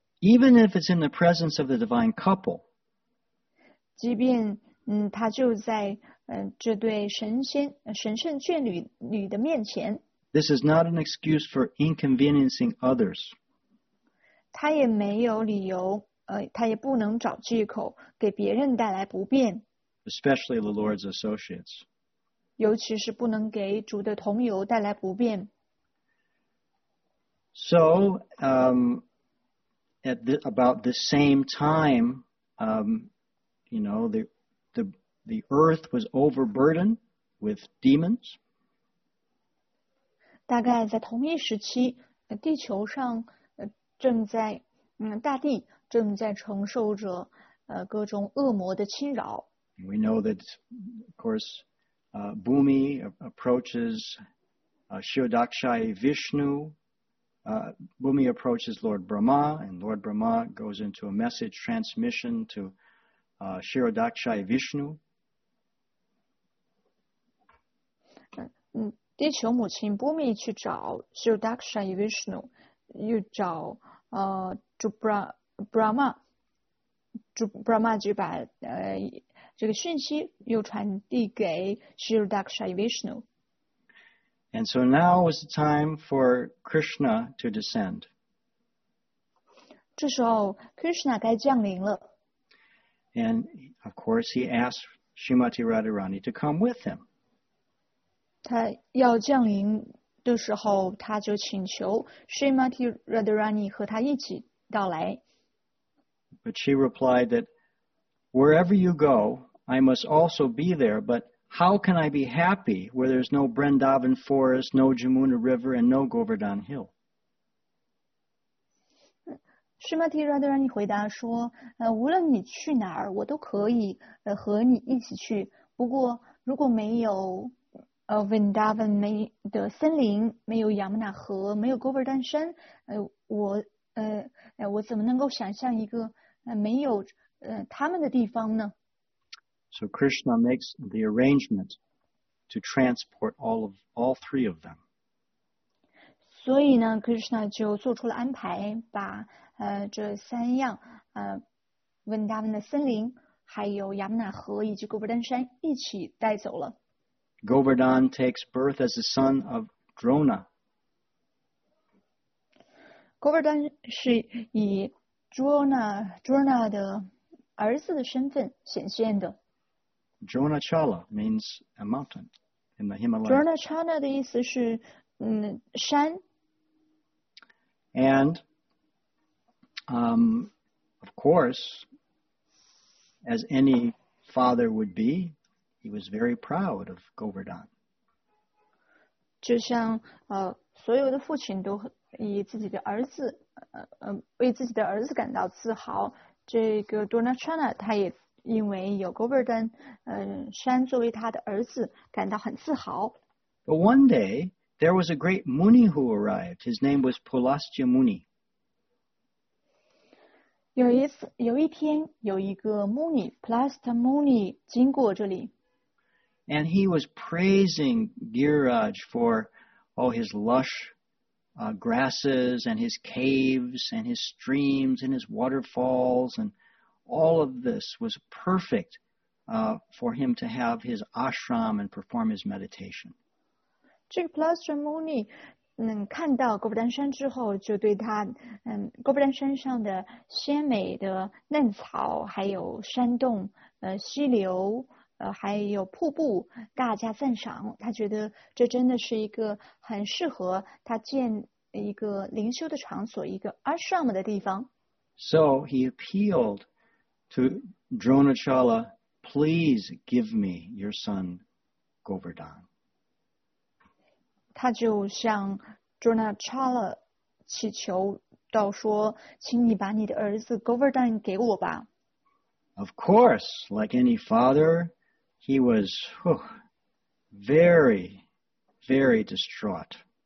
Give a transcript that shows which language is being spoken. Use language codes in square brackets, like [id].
[en] Even if it's in the presence of the divine couple. [zh] 即便他就在这对神圣眷侣的面前。 [en] This is not an excuse for inconveniencing others. [zh] 他也没有理由他也不能找借口给别人带来不便。 [en] Especially the Lord's associates. [zh] 尤其是不能给主的同游带来不便。 [en] So, at the, about the same time, you know, the earth was overburdened with demons. [zh] 大概在同一时期地球上正在大地正在承受着各种恶魔的侵扰。 [en] We know that, of course, Bhumi approaches Shiodakshai Vishnu. Bhumi approaches Lord Brahma, and Lord Brahma goes into a message transmission to Shiodakshai Vishnu. [zh] 地球母亲 Bhumi 去找 Shiodakshai Vishnu， 又找Brahma 就把这个讯息又传递给 Shirdakshai Vishnu. [en] And so now was the time for Krishna to descend. [zh] 这时候 Krishna 该降临了。 [en] And of course he asked Srimati Radharani to come with him. [zh] 他要降临这时候他就请求 Srimati Radharani 和他一起到来。 [en] But she replied that wherever you go, I must also be there, but how can I be happy where there's no Vrindavan forest, no Jamuna river, and no Govardhan hill? [zh] Srimati Radharani 回答说，无论你去哪儿，我都可以和你一起去，不过如果没有Vrindavan 没的森林，没有亚摩纳河，没有 Govardhan 山，我怎么能够想象一个没有他们的地方呢？ [en] So Krishna makes the arrangement to transport all three of them. [zh] 所以呢 ，Krishna 就做出了安排，把这三样Vrindavan 的森林，还有亚摩纳河以及 Govardhan 山一起带走了。 [en] Govardhan takes birth as the son of Drona. [zh] Govardhan 是以 Drona 的儿子的身份显现的。 [en] Drona Chala means a mountain in the Himalayas. [zh] Drona Chala 的意思是山。 [en] And, of course, as any father would be,He was very proud of Govardhan. [zh] 就像所有的父亲都以自己的儿子为自己的儿子感到自豪。这个 Dronachana 他也因为有 Govardhan 山作为他的儿子感到很自豪。 [en] But one day there was a great Muni who arrived. His name was Pulastya Muni. [zh] 有一天有一个 Muni Pulastya Muni 经过这里。 [en] And he was praising Giriraj for all his lush grasses and his caves and his streams and his waterfalls and all of this was perfect for him to have his ashram and perform his meditation. [zh] 这个 Plastron Muni 看到 Govardhan 山之后就对他 Govardhan 山上的鲜美的嫩草还有山洞溪流还有瀑布大加赞赏他觉得这真的是一个很适合他建一个灵修的场所一个 ashram 的地方。 [en] So he appealed to Dronachala, please give me your son Govardhan. [zh] 他就向 Dronachala 祈求到说请你把你的儿子 Govardhan 给我吧。 [en] Of course, like any father, he was very, very distraught.